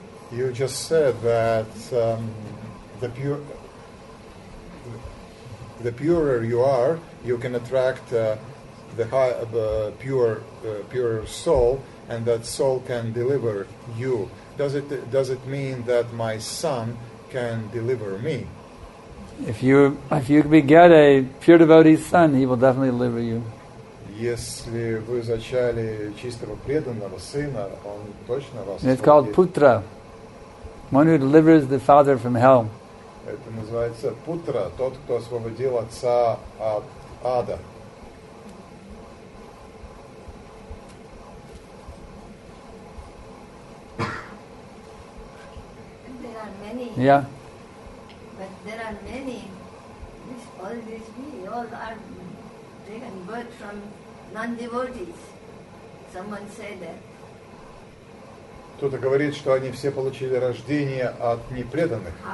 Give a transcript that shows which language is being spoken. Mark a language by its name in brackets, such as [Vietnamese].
[English] You just said that the purer you are, you can attract the pure soul, and that soul can deliver you. Does it mean that my son can deliver me? If you beget a pure devotee's son, he will definitely deliver you. [Russian] Если вы зачали чистого преданного сына, он точно вас. [English] And it's called putra, one who delivers the father from hell. [Russian] Это называется путра, тот, кто освободил отца от ада. [English] many. Yeah. But there are many. All these me, all are taken birth from non-devotees. Someone said that. [Russian] Кто-то говорит, что они все получили рождение от непреданных.